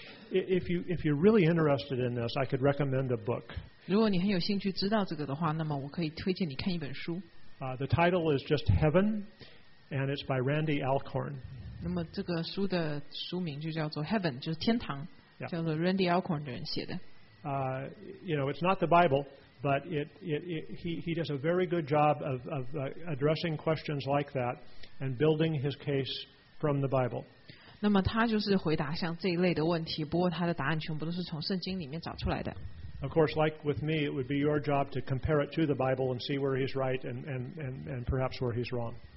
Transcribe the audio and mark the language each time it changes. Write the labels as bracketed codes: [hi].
[en] If you're really interested in this, I could recommend a book. [zh] 如果你很有兴趣知道这个的话，那么我可以推荐你看一本书。 [en] The title is just Heaven, and it's by Randy Alcorn. [zh] 那么这个书的书名就叫做 Heaven, 就是天堂， yeah. 叫做 Randy Alcorn的人写的。 [en] You know, it's not the Bible, but he does a very good job of addressing questions like that and building his case from the Bible. [zh] 那么他就是回答像这一类的问题，不过他的答案全部都是从圣经里面找出来的。 [en] Of course, like with me, it would be your job to compare it to the Bible and see where he's right and perhaps where he's wrong.